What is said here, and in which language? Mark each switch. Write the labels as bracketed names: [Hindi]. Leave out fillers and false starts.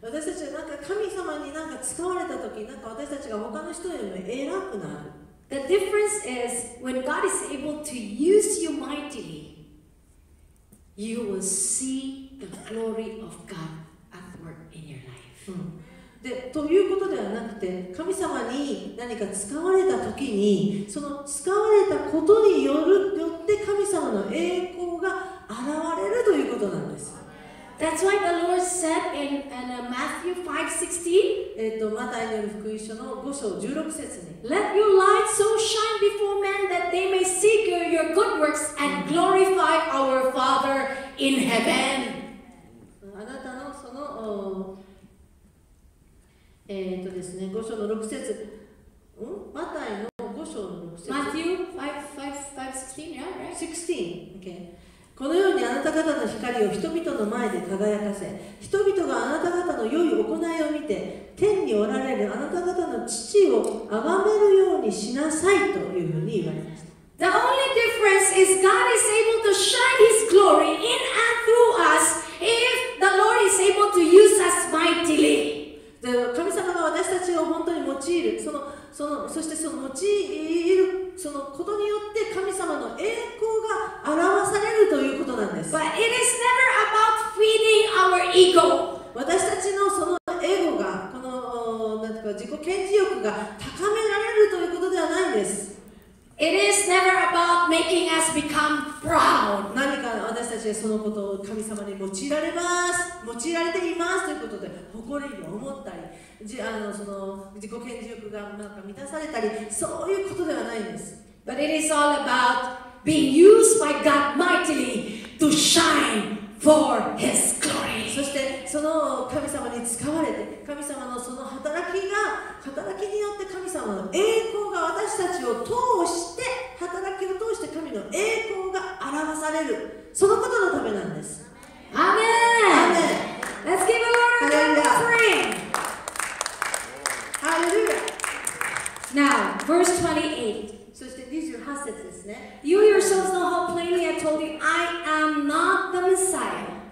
[Japanese] 私たちはなんか神様になんか使われた時、なんか私たちが他の人よりも偉くなる。 [English] The difference is when God is able to use you mightily, you will see the glory of God at work in your life. [Japanese] で、ということではなくて、神様に何か使われた時に、その使われたことによるよって神様の栄光が現れるということなんです。 [English] That's why the Lord said in Matthew 5:16, [Japanese] マタイによる福音書の5章16節に、 [English] Let your light so shine before men that they may see your good works and glorify our Father in heaven. [Japanese] あなたのその、ですね、5章の6節、マタイの5章の6節。 [English] Matthew 5:16, yeah, right? 16, okay. [Japanese] このようにあなた方の光を人々の前で輝かせ、人々があなた方の良い行いを見て、天におられるあなた方の父を崇めるようにしなさいというふうに言われました。 [English] The only difference is God is able to shine His glory in and through us if the Lord is able to use us mightily. [Japanese] 神様が私たちを本当に用いる、そしてその用いる、そのことによって神様の栄光が表されるということなんです。 [English] But it is never about feeding our ego. [Japanese] 私たちのそのエゴが、このなんか自己顕示欲が高められるということではないんです。 [English] It is never about making us become proud. [Japanese] 何か私たちがそのことを神様に用いられます、用いられていますということで誇りに思ったり、その自己顕示欲がなんか満たされたり、そういうことではないんです。 [English] But it is all about being used by God mightily to shine for His glory. [Japanese] そしてその神様に使われて、神様のその働きによって神様の栄光が私たちを通して、働きを通して神の栄光が表される、そのことのためなんです。アーメン。アーメン。 [English] Let's give the Lord a hand of praise. Hallelujah. Now, verse 28. [Japanese] そして28節ですね。 [English] You yourselves know how plainly I told you, I am not the Messiah.